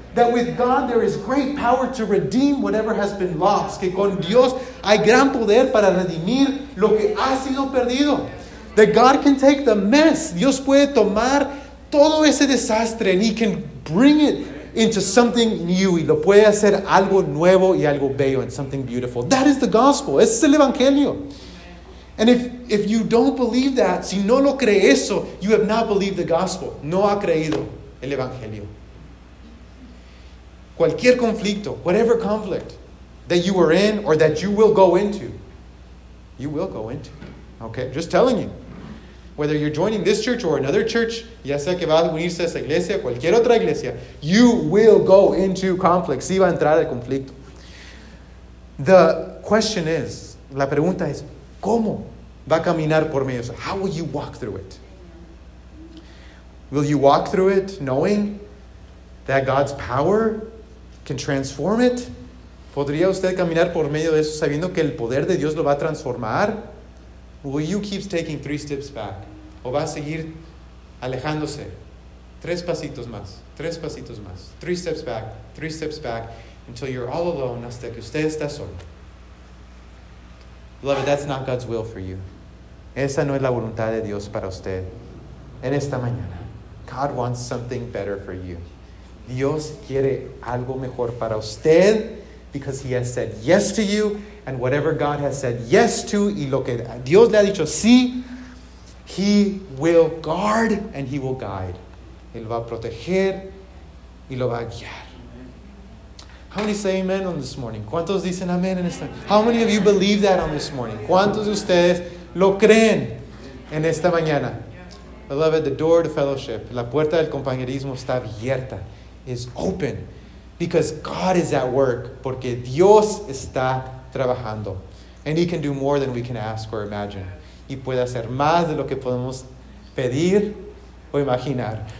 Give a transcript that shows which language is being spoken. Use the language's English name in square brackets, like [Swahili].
[English] That with God there is great power to redeem whatever has been lost. [Spanish] Que con Dios hay gran poder para redimir lo que ha sido perdido. [English] That God can take the mess. [Spanish] Dios puede tomar todo ese desastre [English] and He can bring it into something new. [Spanish] Y lo puede hacer algo nuevo y algo bello [English] and something beautiful. That is the gospel. [Spanish] Ese es el evangelio. [English] And if you don't believe that, [Spanish] si no lo cree eso, [English] you have not believed the gospel. [Spanish] No ha creído el evangelio. Cualquier conflicto, [English] whatever conflict that you are in or that you will go into, you will go into. Okay, just telling you. Whether you're joining this church or another church, [Spanish] ya sea que va a unirse a esa iglesia, cualquier otra iglesia, [English] you will go into conflict. [Spanish] Si va a entrar al conflicto. [English] The question is, [Spanish] la pregunta es, ¿cómo va a caminar por medio? [English] So how will you walk through it? Will you walk through it knowing that God's power can transform it? [Spanish] ¿Podría usted caminar por medio de eso sabiendo que el poder de Dios lo va a transformar? [English] Will you keep taking 3 steps back? [Spanish] ¿O va a seguir alejándose? 3 pasitos más. [English] 3 steps back. 3 steps back until you're all alone [Spanish] hasta que usted está solo. [English] Beloved, that's not God's will for you. [Spanish] Esa no es la voluntad de Dios para usted. En esta mañana, [English] God wants something better for you. [Spanish] Dios quiere algo mejor para usted [English] because He has said yes to you, and whatever God has said yes to, [Spanish] y lo que Dios le ha dicho sí, [English] He will guard and He will guide. [Spanish] Él va a proteger y lo va a guiar. [English] How many say amen on this morning? [Spanish] ¿Cuántos dicen amén en esta mañana? [English] How many of you believe that on this morning? [Spanish] ¿Cuántos de ustedes lo creen en esta mañana? [English] Beloved, the door to fellowship, [Spanish] la puerta del compañerismo está abierta. [English] Is open because God is at work, [Spanish] porque Dios está trabajando, [English] and He can do more than we can ask or imagine. [Spanish] Y puede hacer más de lo que podemos pedir o imaginar.